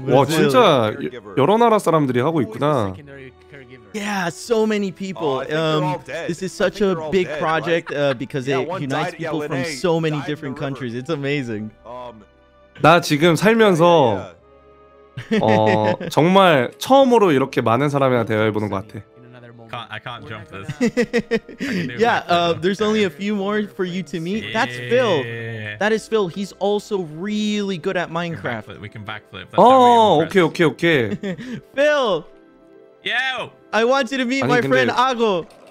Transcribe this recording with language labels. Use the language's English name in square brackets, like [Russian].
[Korean] 와, 진짜 여러 나라 사람들이 하고 있구나. [English] Yeah, so many people. This is such a big project because it unites people from so many different countries. It's amazing. [Korean] 나 지금 살면서 정말 처음으로 이렇게 많은 사람이랑 대화해 보는 것 같아. [English] I can't jump this. Yeah, there's only a few more for you to meet. Yeah. That's Phil. That is Phil. He's also really good at Minecraft. We can backflip. That's okay, okay, okay. Phil. Yo. I want you to meet my friend Ago.